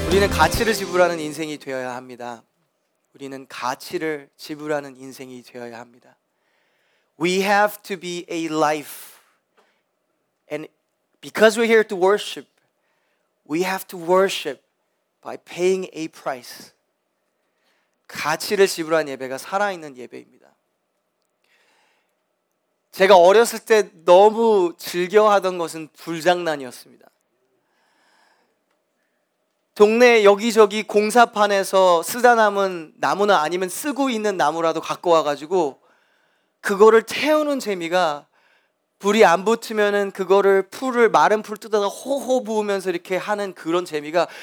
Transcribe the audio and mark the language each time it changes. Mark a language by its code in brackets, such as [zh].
[ko] 가치를 지불하는 인생이 되어야 합니다. 우리는 가치를 지불하는 인생이 되어야 합니다. [en] We have to be a life. And because we're here to worship, we have to worship by paying a price. [ko] 가치를 지불한 예배가 살아있는 예배입니다. 제가 어렸을 때 너무 즐겨하던 것은 불장난이었습니다. 동네 여기저기 공사판에서 쓰다 남은 나무나 아니면 쓰고 있는 나무라도 갖고 와가지고 그거를 태우는 재미가, 불이 안 붙으면은 그거를 풀을 마른 풀 뜯어다 호호 부으면서 이렇게 하는 그런 재미가.